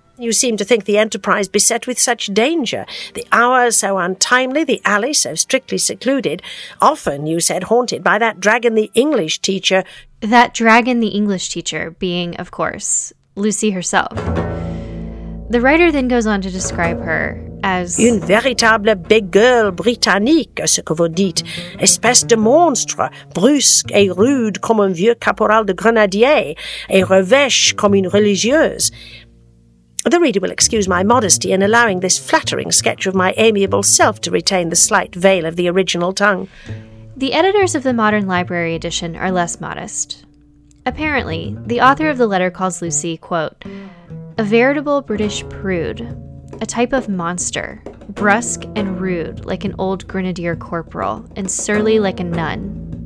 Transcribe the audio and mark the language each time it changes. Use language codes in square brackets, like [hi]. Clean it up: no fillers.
[en] You seem to think the enterprise beset with such danger, the hour so untimely, the alley so strictly secluded, often, you said, haunted by that dragon, the English teacher. That dragon, the English teacher, being, of course, Lucy herself. The writer then goes on to describe her as [fr] une véritable bégueule britannique, ce que vous dites, espèce de monstre, brusque et rude comme un vieux caporal de grenadier, et revêche comme une religieuse. [en] The reader will excuse my modesty in allowing this flattering sketch of my amiable self to retain the slight veil of the original tongue. The editors of the Modern Library edition are less modest. Apparently, the author of the letter calls Lucy, quote, a veritable British prude, a type of monster, brusque and rude like an old grenadier corporal, and surly like a nun.